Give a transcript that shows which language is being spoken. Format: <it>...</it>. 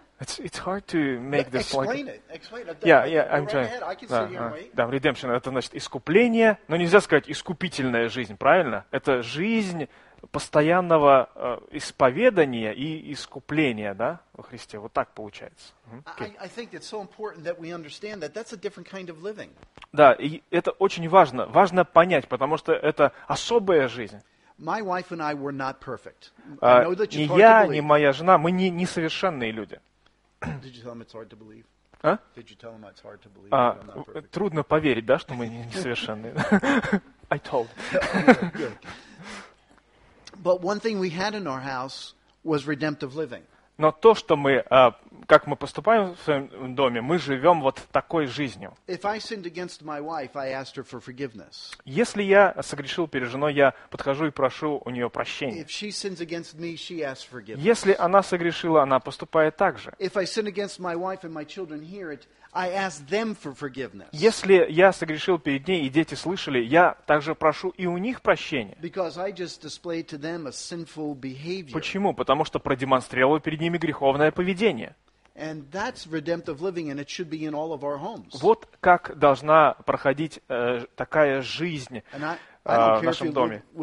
<en>It's hard to make this point. Explain it.</en> <ru>Да, redemption, это значит искупление, но нельзя сказать искупительная жизнь, правильно? Это жизнь постоянного исповедания и искупления, да, во Христе. Вот так получается.</ru> <en>Okay. I think it's so important that we understand that that's a different kind of living.</en> <ru>Да, и это очень важно. Важно понять, потому что это особая жизнь.</ru> <en>My wife and I were not perfect.</en> <ru>Ни я, ни моя жена, мы не несовершенные люди.</ru> <en>Did you tell them it's hard to believe? А? Did you tell them it's hard to believe that I'm not perfect?</en> <ru>Трудно поверить, да, что мы не несовершенные.</ru> <en>I told. But one thing we had in our house was redemptive living.</en> <ru>Но то, что мы, как мы поступаем в своем доме, мы живем вот такой жизнью.</ru> <en>If I sinned against my wife, I asked her for forgiveness.</en> <ru>Если я согрешил перед женой, я подхожу и прошу у нее прощения.</ru> <en>If she sins against me, she asks forgiveness.</en> <ru>Если она согрешила, она поступает так же.</ru> <en>If I sin against my wife and my children hear it, I ask them for forgiveness.</en> <ru>Если я согрешил перед ней, и дети слышали, я также прошу и у них прощения.</ru> <en>Because I just displayed to them a sinful behavior.</en> <ru>Почему? Потому что продемонстрировал перед ними греховное поведение.</ru> <en>And that's redemptive living, and it should be in all of our homes.</en> <ru>Вот как должна проходить такая жизнь нашем доме.</ru>